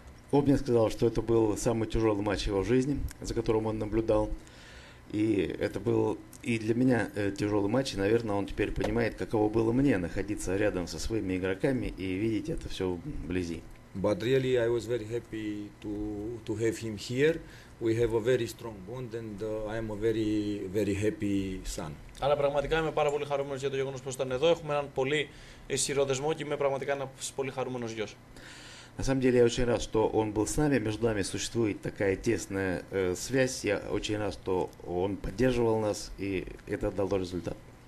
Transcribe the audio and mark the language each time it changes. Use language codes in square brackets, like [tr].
[ru] Он мне сказал, что это был самый тяжелый матч его жизни, за которым он наблюдал. И это был и для меня тяжелый матч, и, наверное, он теперь понимает, каково было мне находиться рядом со своими игроками и видеть это все вблизи. [en] But really I was very happy to have him here. We have a very strong bond and I am a very, very happy son. [el] Αλλά πραγματικά είμαι πάρα πολύ χαρούμενος για το γεγονός που ήταν εδώ. Έχουμε έναν πολύ ισχυρό δεσμό και είμαι πραγματικά ένας πολύ χαρούμενος γιος. [ru] На самом деле я очень рад, что он был с нами, между нами существует такая тесная связь. Я очень рад, что он поддерживал нас, и это дало результат.